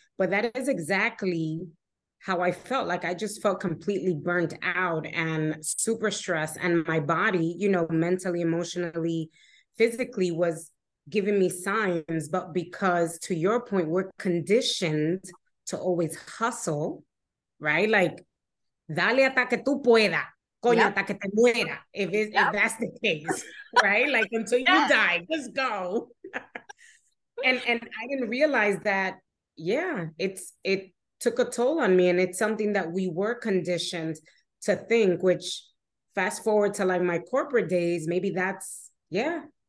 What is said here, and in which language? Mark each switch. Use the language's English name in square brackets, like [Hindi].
[English] But that is exactly how I felt. Like, I just felt completely burnt out and super stressed. And my body, you know, mentally, emotionally, physically was giving me signs, but because, to your point, we're conditioned to always hustle, right? Like, [Spanish] dale hasta que tú pueda, coño, hasta que te muera, [English] if that's the case, right? Like, until you die, just go. And I didn't realize that, yeah, it took a toll on me, and it's something that we were conditioned to think, which, fast forward to, like, my corporate days, maybe that's, yeah,